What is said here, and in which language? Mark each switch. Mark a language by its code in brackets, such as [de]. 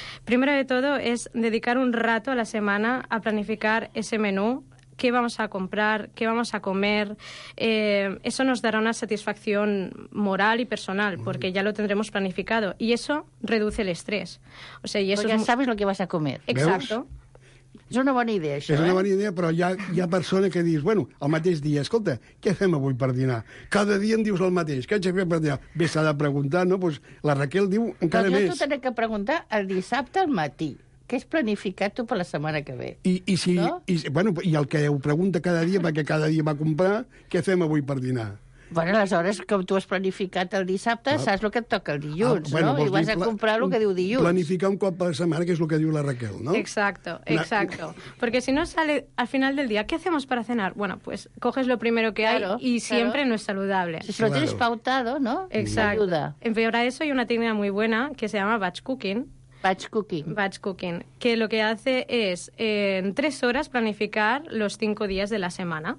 [es] Primero de todo es dedicar un rato a la semana a planificar ese menú, qué vamos a comprar, qué vamos a comer. Eso nos dará una satisfacción moral y personal, porque ya lo tendremos planificado. Y eso reduce el estrés. O sea, y eso porque ya sabes lo que vas a comer. Exacto. [ca] És una bona idea, això. És una bona idea, però hi ha persones que dius, bueno, el mateix dia, escolta, què fem avui per dinar? Cada dia em dius el mateix, què haig de fer per dinar? Bé, s'ha de preguntar, no? Pues la Raquel diu encara més. Però jo t'ho he de preguntar el dissabte al matí. Què has planificat tu per la setmana que ve? I el que ho pregunta cada dia, perquè cada dia va comprar, què fem avui per dinar? Bueno, aleshores, com tu has planificat el dissabte, saps el que et toca el dilluns, no? I vas a comprar el que diu dilluns. Planificar un cop per setmana, que és el que diu la Raquel, no? [es] Exacto, exacto. Porque si no sale al final del día, ¿qué hacemos para cenar? Bueno, pues coges lo primero que hay y siempre no es saludable. Si lo tienes pautado, ¿no? Exacto. Empeora eso, hay una técnica muy buena que se llama batch cooking. [en] Batch cooking. Batch cooking. [es] Que lo que hace es en 3 horas planificar los 5 días de la semana.